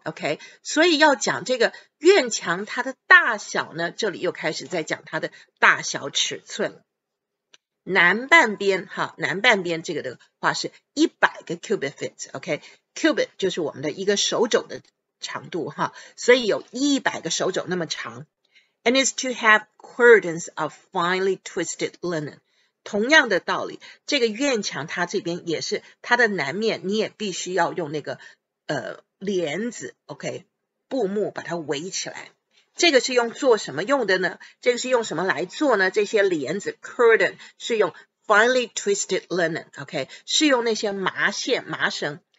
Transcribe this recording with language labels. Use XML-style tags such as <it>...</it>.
<zh>OK， 所以要讲这个院墙它的大小呢，这里又开始在讲它的大小尺寸了。南半边，好，南半边这个的话是100 cubits。OK。 Cubit 就是我们的一个手肘的长度哈，所以有100个手肘那么长。</zh> <en>And is to have curtains of finely twisted linen。</en> <zh>同样的道理，这个院墙它这边也是它的南面，你也必须要用那个帘子 ，OK， 布幕把它围起来。这个是用做什么用的呢？这个是用什么来做呢？这些帘子 curtain 是用</zh> <en>finely twisted linen，</en> <zh>OK， 是用那些麻线麻绳。</zh>